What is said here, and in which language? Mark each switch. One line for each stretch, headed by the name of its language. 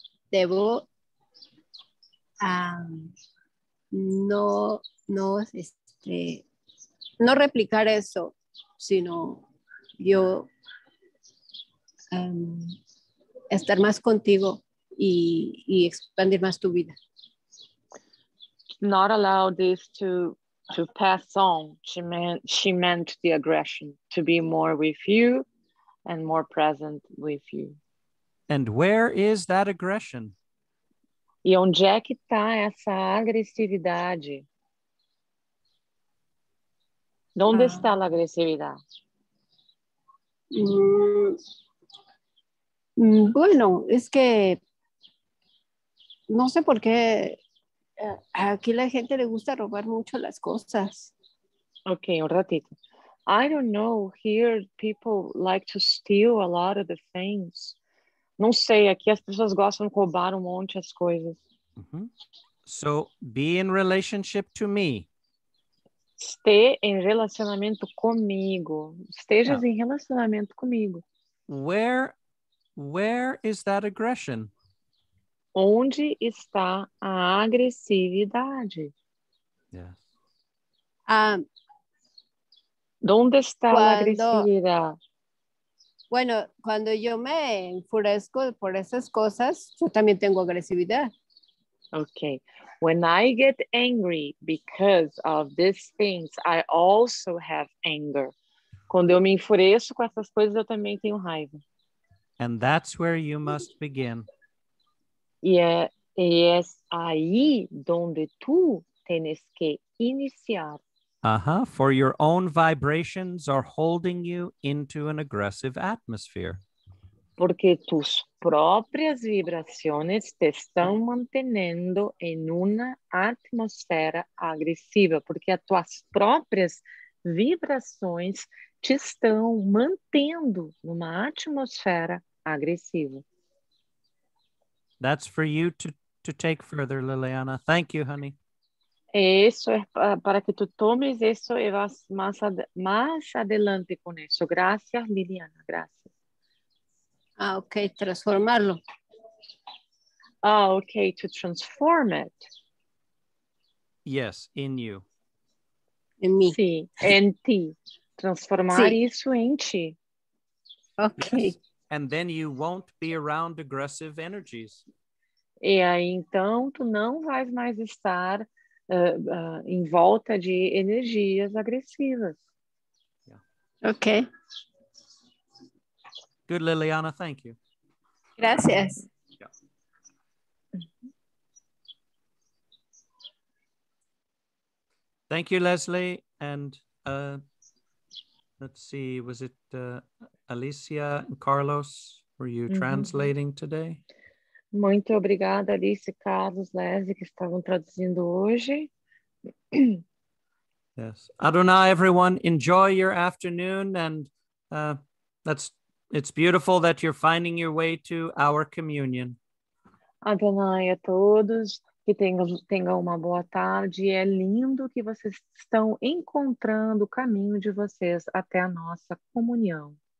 Spanish: Devo no replicar eso, sino yo estar más contigo y expandir más tu vida.
English: Not allow this to pass on. She meant the aggression, to be more with you and more present with you. And where is that aggression?
Portuguese: E onde é que está essa agressividade? Onde está a agressividade?
Spanish: Bueno, es que no sé por qué aquí la gente le gusta robar mucho las cosas. Okay, un ratito.
English: I don't know, here people like to steal a lot of the things.
Portuguese: Não sei, aqui as pessoas gostam de roubar um monte as coisas.
English: Mm-hmm. So, be in relationship to me.
Portuguese: Esteja em relacionamento comigo. Estejas em relacionamento comigo.
English: Where is that aggression?
Portuguese: Onde está a agressividade?
English: Yes.
Portuguese: Onde está a agressividade?
Spanish: Bueno, cuando yo me enfurezco por esas cosas, yo también tengo agresividad.
English: Okay. When I get angry because of these things, I also have anger.
Portuguese: Quando eu me enfureço com essas coisas, eu também tenho raiva.
English: And that's where you must begin. Yeah, yes,
Portuguese: aí donde tu tens que iniciar.
English: Uh-huh, for your own vibrations are holding you into an aggressive atmosphere.
Portuguese: Porque tus próprias vibrações te estão mantenendo em uma atmosfera agressiva, porque as tuas próprias vibrações te estão mantendo numa atmosfera agressiva.
English: That's for you to take further, Liliana. Thank you, honey.
Portuguese: Isso é para que tu tomes isso e vas mais adelante com isso.
Spanish: Gracias, Liliana. Gracias.
Portuguese: Ah, ok. Transformá-lo.
English: Ah, ok. To transform it. Yes, in you. In me.
Portuguese: Sim, em ti. Transformar sim. Isso em ti.
English: Ok. Yes. And then you won't be around aggressive energies.
Portuguese: E aí, então, tu não vais mais estar em volta de energias agressivas.
English: Yeah. Ok. Good, Liliana, thank you.
Spanish: Gracias.
English: Yeah. Thank you, Leslie. And let's see, was it Alicia and Carlos? Were you translating today?
Portuguese: Muito obrigada, Alice, Carlos, Leslie, que estavam traduzindo hoje.
English: Yes. Adonai, everyone, enjoy your afternoon. And it's beautiful that you're finding your way to our communion.
Portuguese: Adonai, a todos, que tenham uma boa tarde. É lindo que vocês estão encontrando o caminho de vocês até a nossa comunhão.